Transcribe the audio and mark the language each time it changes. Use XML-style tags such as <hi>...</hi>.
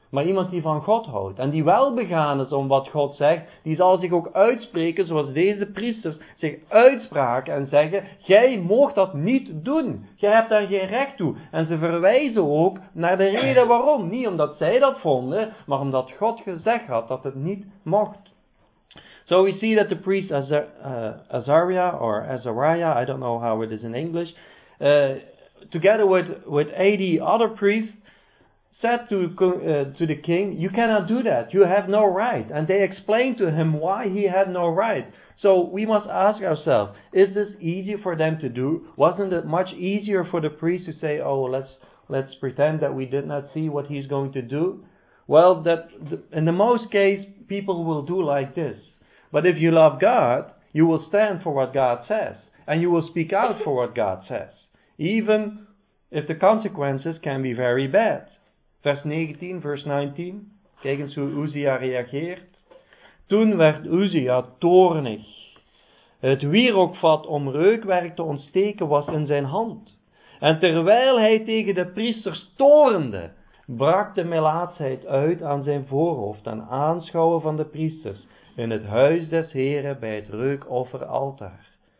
<nl>Maar iemand die van God houdt en die wel begaan is om wat God zegt, die zal zich ook uitspreken zoals deze priesters zich uitspraken en zeggen, jij mocht dat niet doen. Jij hebt daar geen recht toe. En ze verwijzen ook naar de reden waarom. Niet omdat zij dat vonden, maar omdat God gezegd had dat het niet mocht.</nl> <en>So we see that the priest Azariah, I don't know how it is in English, together with 80 other priests, said to the king, you cannot do that, you have no right. And they explained to him why he had no right. So we must ask ourselves, is this easy for them to do? Wasn't it much easier for the priest to say, oh, let's pretend that we did not see what he's going to do? Well, in the most case, people will do like this. But if you love God, you will stand for what God says. And you will speak out for what God says. Even if the consequences can be very bad.</en> <nl>Vers 19. Kijk eens hoe Uzia reageert. Toen werd Uzia toornig. Het wierookvat om reukwerk te ontsteken was in zijn hand. En terwijl hij tegen de priesters torende, brak de melaatsheid uit aan zijn voorhoofd en aanschouwen van de priesters in het huis des Heren bij het reukofferaltaar.</nl>